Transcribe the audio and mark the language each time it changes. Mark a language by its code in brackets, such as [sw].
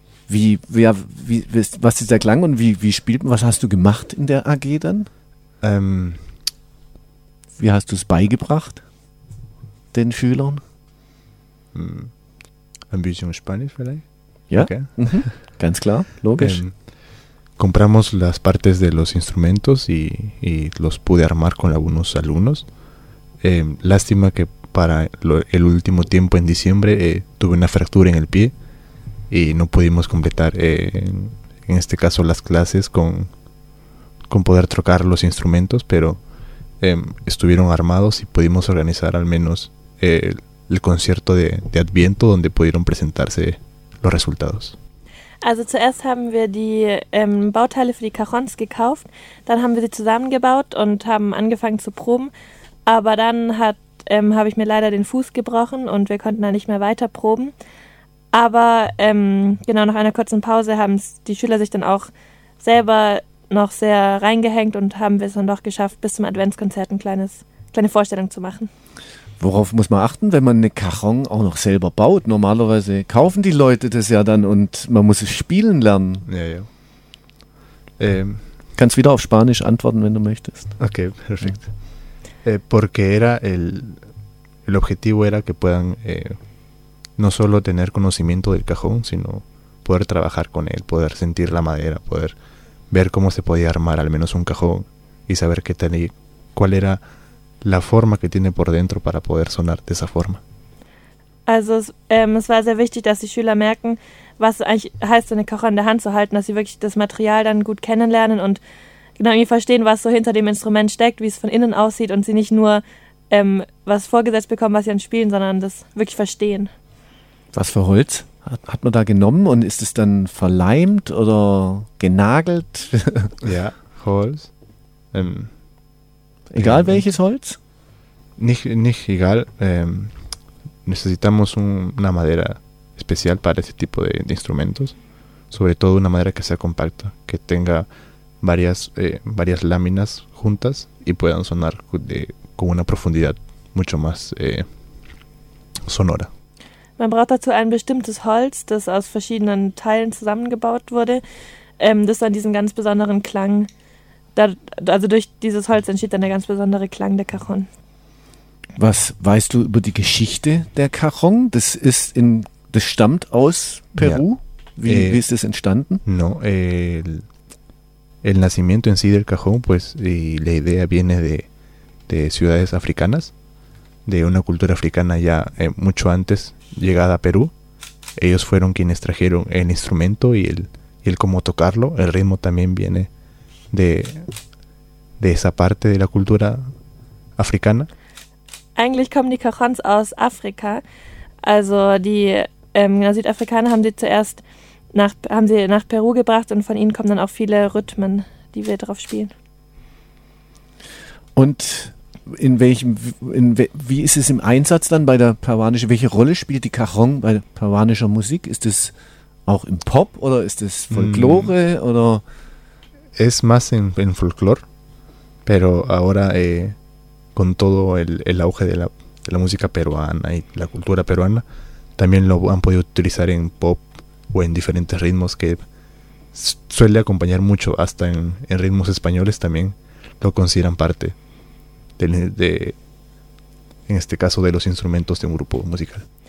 [de] Was ist der Klang und wie spielt man? Was hast du gemacht in der AG dann? Wie hast du es beigebracht den Schülern? Ein bisschen Spanisch vielleicht? Ja, okay. Ganz klar, logisch. [es] Compramos las partes de los instrumentos y los pude armar con algunos alumnos. Lástima que para el último tiempo en diciembre tuve una fractura en el pie y no pudimos completar en este caso las clases con poder trocar los instrumentos, pero estuvieron armados y pudimos organizar al menos el concierto de Adviento, donde pudieron presentarse los resultados. [de] Also zuerst haben wir die Bauteile für die Cajons gekauft, dann haben wir sie zusammengebaut und haben angefangen zu proben, aber dann habe ich mir leider den Fuß gebrochen und wir konnten dann nicht mehr weiter proben. Aber nach einer kurzen Pause haben die Schüler sich dann auch selber noch sehr reingehängt und haben wir es dann doch geschafft, bis zum Adventskonzert eine kleine Vorstellung zu machen. Worauf muss man achten, wenn man eine Cajon auch noch selber baut? Normalerweise kaufen die Leute das ja dann und man muss es spielen lernen. Ja. Kannst wieder auf Spanisch antworten, wenn du möchtest. Okay, perfekt. [es] Porque era el objetivo era que puedan no solo tener conocimiento del cajón, sino poder trabajar con él, poder sentir la madera, poder ver cómo se podía armar al menos un cajón y saber qué tenía, cuál era la forma que tiene por dentro para poder sonar de esa forma. [de] Also es war sehr wichtig, dass die Schüler merken, was eigentlich heißt, eine Cajón in der Hand zu halten, dass sie wirklich das Material dann gut kennenlernen und genau verstehen, was so hinter dem Instrument steckt, wie es von innen aussieht und sie nicht nur was vorgesetzt bekommen, was sie dann spielen, sondern das wirklich verstehen. Was für Holz hat man da genommen und ist es dann verleimt oder genagelt? Ja, Holz. Egal welches Holz? Nicht egal. Necesitamos una madera especial para ese tipo de instrumentos. Sobre todo una madera que sea compacta, que tenga varias láminas juntas y puedan sonar con una profundidad mucho más sonora. Man braucht dazu ein bestimmtes Holz, das aus verschiedenen Teilen zusammengebaut wurde, das dann diesen ganz besonderen Klang, also durch dieses Holz entsteht dann der ganz besondere Klang der Cajón. Was weißt du über die Geschichte der Cajón? Das stammt aus Peru? Ja. Wie ist das entstanden? [es] No, el nacimiento en sí del Cajón, pues, y la idea viene de ciudades africanas, de una cultura africana ya mucho antes llegada a Perú. Ellos fueron quienes trajeron el instrumento y el cómo tocarlo. El ritmo también viene de esa parte de la cultura africana. [de] Eigentlich kommen die Cajons aus Afrika. Also die Südafrikaner haben sie zuerst nach Peru gebracht und von ihnen kommen dann auch viele Rhythmen, die wir drauf spielen. Und wie ist es im Einsatz dann bei der peruanischen? Welche Rolle spielt die Cajón bei peruanischer Musik? Ist es auch im Pop oder ist es Folklore oder? [es] Es más en Folklore, pero ahora con todo el auge de la música peruana y la cultura peruana, también lo han podido utilizar en pop o en diferentes ritmos que suele acompañar mucho, hasta en ritmos españoles también lo consideran parte de en este caso de los instrumentos de un grupo musical.